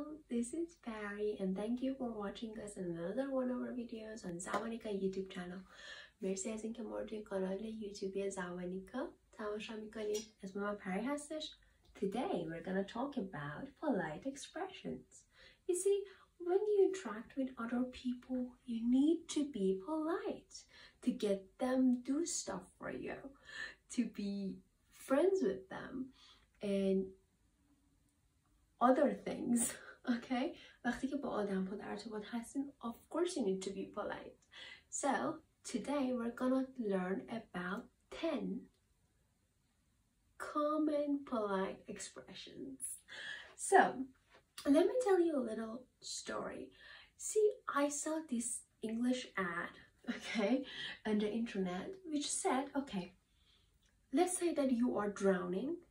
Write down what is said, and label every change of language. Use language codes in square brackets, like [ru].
[en] This is Perry, and thank you for watching us in another one of our videos on Zabanika YouTube channel. [fa] مرسی از اینکه ما رو توی کانال یوتیوبی زبانیکا تماشا میکنید. اسم من پری هستش. [en] Today we're gonna talk about polite expressions. You see, when you interact with other people, you need to be polite to get them do stuff for you, to be friends with them, and other things. Okay, [fa] وقتی که با آدم ها در ارتباط هستیم, [en] of course you need to be polite. So, today we're gonna learn about 10 common polite expressions. So, let me tell you a little story. See, I saw this English ad, okay, on the internet, which said, okay, let's say that you are drowning.